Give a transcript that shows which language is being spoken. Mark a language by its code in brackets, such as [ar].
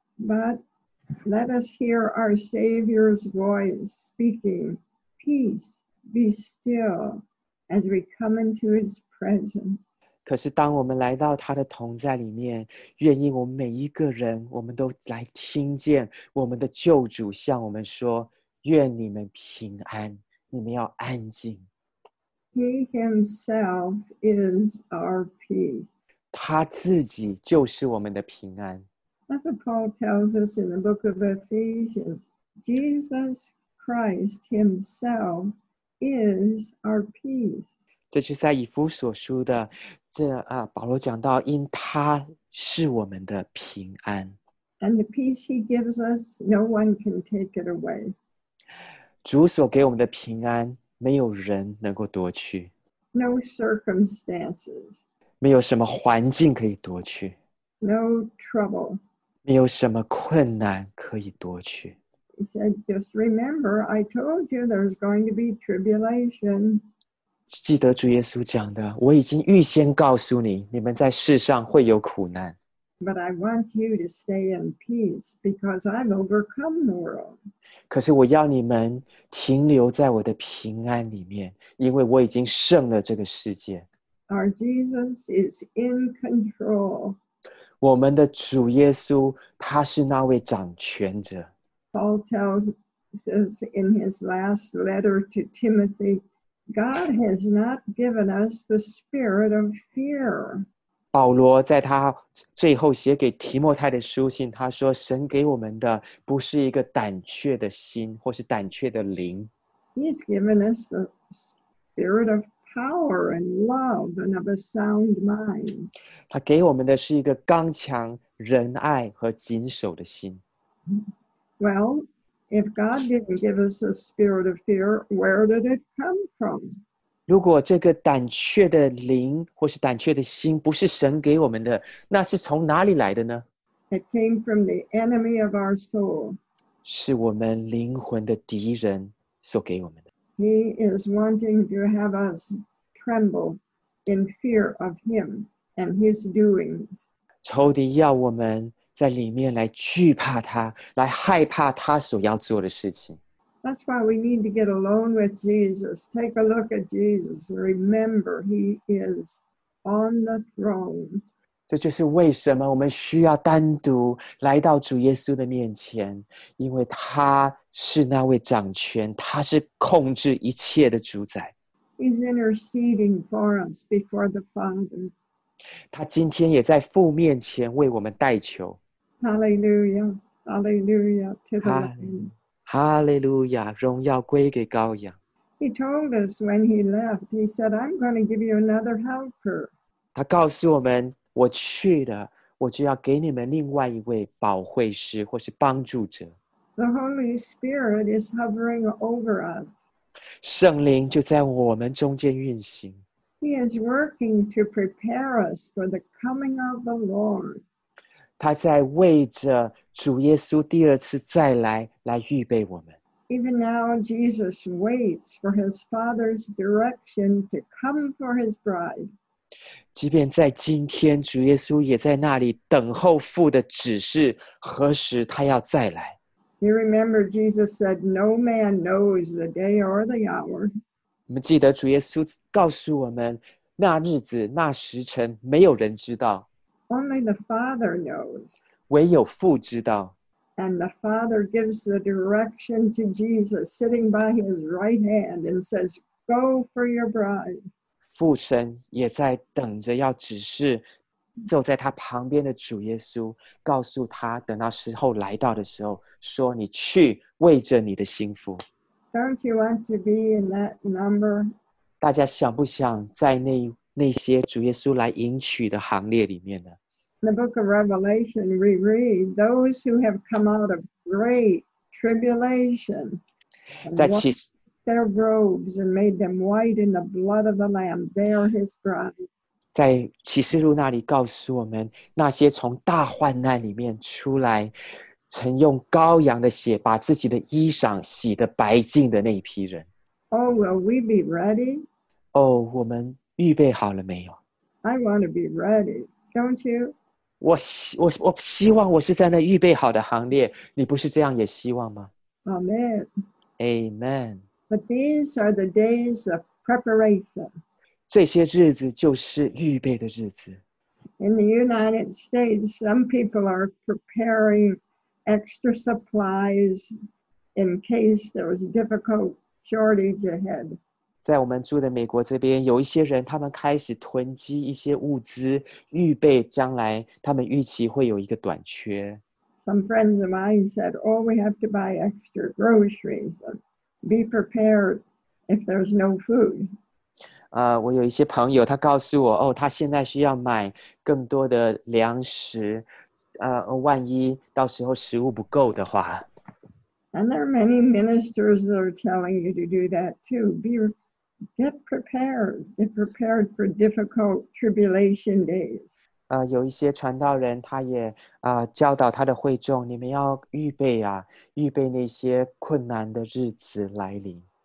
[en] But let us hear our Savior's voice speaking, "Peace, be still," as we come into His presence. [zh] 可是当我们来到他的同在里面，愿意我们每一个人，我们都来听见我们的救主向我们说：“愿你们平安，你们要安静。” [en] He himself is our peace. [zh] 他自己就是我们的平安。 [en] That's what Paul tells us in the book of Ephesians. Jesus Christ himself is our peace. [zh] 这是在以弗所书的这啊，保罗讲到，因他是我们的平安。 [en] And the peace he gives us, no one can take it away. [zh] 主所给我们的平安，没有人能够夺去。 [en] No circumstances. [zh] 没有什么环境可以夺去。 [en] No trouble. [zh] 没有什么困难可以夺去。 [en] He said, "Just remember, I told you there's going to be tribulation." [zh] 记得主耶稣讲的，我已经预先告诉你，你们在世上会有苦难。 [en] But I want you to stay in peace because I've overcome the world. [zh] 可是我要你们停留在我的平安里面，因为我已经胜了这个世界。 [en] Our Jesus is in control. [zh] 我们的主耶稣，他是那位掌权者。 [en] Paul says in his last letter to Timothy, God has not given us the spirit of fear. [zh] 保罗在他最后写给提摩太的书信，他说：“神给我们的不是一个胆怯的心，或是胆怯的灵。 [en] He's given us the spirit of power and love and of a sound mind. [zh] 他给我们的是一个刚强、仁爱和谨守的心。 [en] Well, if God didn't give us a spirit of fear, where did it come from? [zh] 如果这个胆怯的灵或是胆怯的心不是神给我们的，那是从哪里来的呢？ [en] It came from the enemy of our soul. [zh] 是我们灵魂的敌人所给我们的。 [en] He is wanting to have us tremble in fear of him and his doings. [zh] 仇敌要我们在里面来惧怕他，来害怕他所要做的事情。 [en] That's why we need to get alone with Jesus. Take a look at Jesus. Remember, he is on the throne. [zh] 这就是为什么我们需要单独来到主耶稣的面前，因为他是那位掌权，他是控制一切的主宰。 [en] He's interceding for us before the Father. [zh] 他今天也在父面前为我们代求。 [en] Hallelujah, hallelujah to the Lamb. [zh] Hallelujah, 荣耀归给羔羊。 [en] He told us when he left, he said, I'm going to give you another helper. [zh] 他告诉我们，我去了，我就要给你们另外一位保惠师或是帮助者。 [en] The Holy Spirit is hovering over us. [zh] 圣灵就在我们中间运行。 [en] He is working to prepare us for the coming of the Lord. [zh] 他在为着主耶稣第二次再来来预备我们。 [en] Even now, Jesus waits for his Father's direction to come for his bride. [zh] 即便在今天，主耶稣也在那里等候父的指示，何时他要再来。 [en] You remember Jesus said, "No man knows the day or the hour." [zh] 我们记得主耶稣告诉我们，那日子、那时辰，没有人知道。 [en] Only the Father knows. [zh] 唯有父知道。 [en] And the Father gives the direction to Jesus sitting by his right hand and says, Go for your bride. [zh] 父神也在等着要指示坐在他旁边的主耶稣，告诉他等到时候来到的时候，说你去为着你的心腹。 [en] Don't you want to be in that number? [zh] 大家想不想在那些主耶稣来迎娶的行列里面呢？ [en] The book of Revelation, we read, those who have come out of great tribulation, their robes and made them white in the blood of the Lamb, they are his bride. [zh] 在启示录那里告诉我们，那些从大患难里面出来，曾用羔羊的血把自己的衣裳洗得白净的那一批人。 [en] Oh, will we be ready? [zh] Oh, 我们预备好了没有？ [en] I want to be ready, don't you? [zh] 我希望我是在那预备好的行列，你不是这样也希望吗？ [en] Amen. Amen. But these are the days of preparation. [zh] 这些日子就是预备的日子。 [en] In the United States, some people are preparing extra supplies in case there was a difficult shortage ahead. [zh] 在我们住的美国这边，有一些人他们开始囤积一些物资，预备将来他们预期会有一个短缺。 [en] Some friends of mine said, "Oh, we have to buy extra groceries. Be prepared if there's no food." [zh] 我有一些朋友，他告诉我，哦，他现在需要买更多的粮食，万一到时候食物不够的话。 [en] And there are many ministers that are telling you to do that too. Get prepared. Get prepared for difficult tribulation days. [zh] 有一些传道人他也教导他的会众，你们要预备啊，预备那些困难的日子来临。